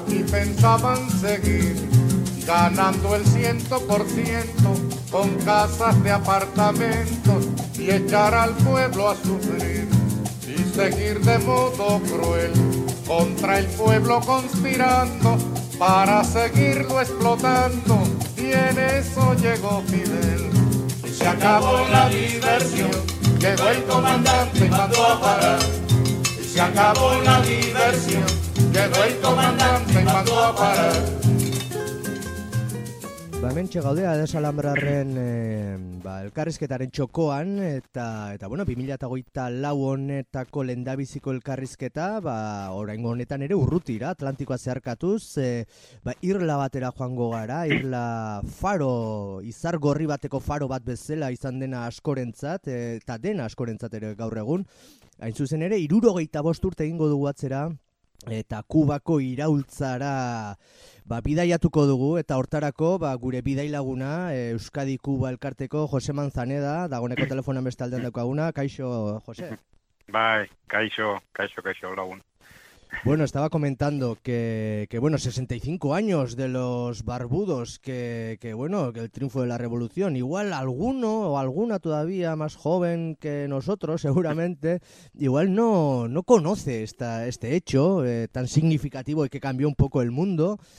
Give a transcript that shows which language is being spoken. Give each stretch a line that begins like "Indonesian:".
Spanish: Pensaban seguir ganando el 100% con casas de apartamentos y echar al pueblo a sufrir y seguir de modo cruel contra el pueblo conspirando para seguirlo explotando. Y en eso llegó Fidel y se acabó la diversión. Llegó el comandante y mandó a parar. Y se acabó la diversión.
Basque: Ba, hementxe gaude Desalambrarren elkarrizketaren txokoan eta bueno, 2024 honetako lehendabiziko elkarrizketa, oraingo honetan ere urrutira Atlantikoa zeharkatuz, Irla batera joango gara, Irla faro, izar gorri bateko faro bat bezala izan dena askorentzat, eta dena askorentzat ere gaur egun. Hain zuzen ere 65 urte egingo dugu atzera eta Kubako iraultzara bidaiatuko dugu, eta hortarako gure bidailaguna Euskadi Kuba elkarteko Jose Manzaneda dagoeneko telefonoan beste aldean daukaguna. Kaixo, Jose. Bai, kaixo lagun.
Spanish: Bueno, estaba comentando que bueno, 65 años de los barbudos, que bueno, que el triunfo de la revolución. Igual alguno o alguna todavía más joven que nosotros, seguramente, igual no conoce este hecho tan significativo y que cambió un poco el mundo.